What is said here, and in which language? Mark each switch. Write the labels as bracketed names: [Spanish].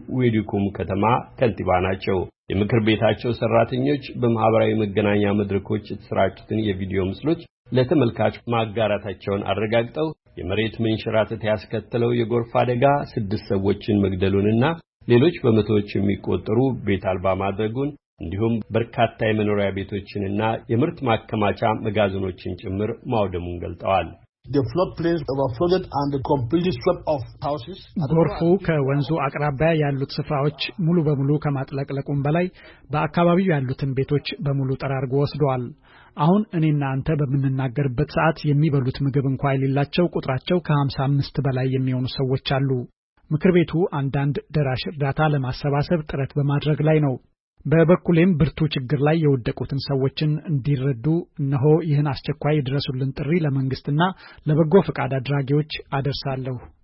[Amharic] ዊድኩም ከተማ ከንቲባ ናቸው። የምክር ቤታቸው ሰራተኞች በማህበራዊ መገናኛ መድረኮች የተሰራጩትን የቪዲዮ ምስሎች ለተመልካች ማጋራታቸውን አረጋግጠው የመሬት መንሸራተት ያስከተለው የጎርፍ አደጋ 6 ሰዎችን መግደሉንና ሌሎች በመቶዎች የሚቆጠሩ ቤት አልባ ማድረጉን እንዲሁም በርካታ የመኖሪያ ቤቶችንና የምርት ማከማቻ መጋዘኖችን ጭምር ማውደሙን ገልጠዋል። [English] The floodplains overflowed and the complete swept of houses. [Amharic] ጎርፉ ከወንዙ አቅራቢያ ያሉት ስፍራዎች ሙሉ በሙሉ ከመጥለቅለቁም በላይ በአካባቢው ያሉትን ቤቶች በሙሉ ጠራርጎ ወስዷል። አሁን እኔና አንተ በመንናገርበት ሰዓት የሚበሉት ምግብ እንኳን ሊላቸው ቁጥራቸው ከ55 በላይ የሚሆኑ ሰዎች አሉ። ምክር ቤቱ አንዳንድ ደራሽ እርዳታ ለማሰባሰብ ጥረት በማድረግ ላይ ነው። በበኩሌም ብርቱ ችግር ላይ የወደቁትን ሰዎችን እንዲረዱ እነሆ ይህን አስቸኳይ ድረሱልን ጥሪ ለመንግስትና ለበጎ ፈቃድ አድራጊዎች አደርሳለሁ።